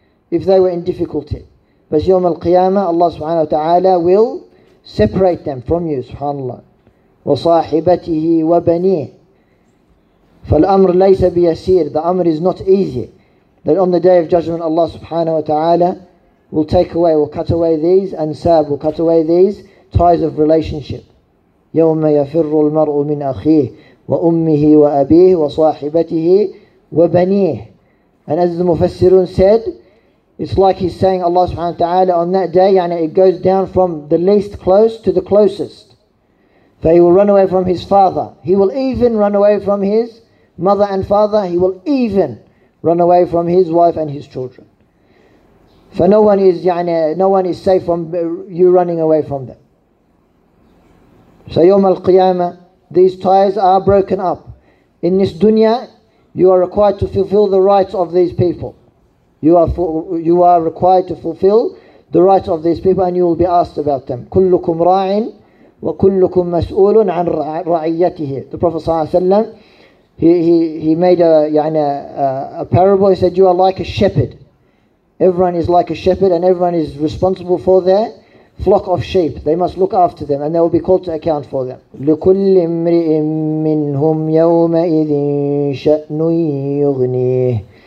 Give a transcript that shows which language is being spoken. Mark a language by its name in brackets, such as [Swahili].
[English] If they were in difficulty. But [Arabic] يوم القيامة, [English] Allah subhanahu wa ta'ala will separate them from you, subhanAllah. [Arabic] وصاحبته وبنيه. فالأمر ليس بيسير. [English] The أمر is not easy. That on the day of judgment, Allah subhanahu wa ta'ala will take away, will cut away these, ansab, will cut away these ties of relationship. [Arabic] يوم يفر المرء من أخيه وأمه وأبيه وصاحبته وبنيه. [English] And as the Mufassirun said, it's like he's saying, Allah subhanahu wa ta'ala, on that day, [Arabic] يعني [English] it goes down from the least close to the closest. For he will run away from his father. He will even run away from his mother and father. He will even run away from his wife and his children. For no one is safe from you running away from them. So [Arabic] يوم القيامة, [English] these ties are broken up. In this dunya, you are required to fulfill the rights of these people. You are required to fulfill the rights of these people, and you will be asked about them. [Arabic] كلكم راعٍ وكلكم مسؤول عن رعيته. [English] The Prophet [Arabic] صلى الله عليه وسلم, [English] he made a parable. He said, you are like a shepherd. Everyone is like a shepherd, and everyone is responsible for their flock of sheep. They must look after them, and they will be called to account for them. [Arabic] لكل امرئ منهم يومئذ شأن يغنيه.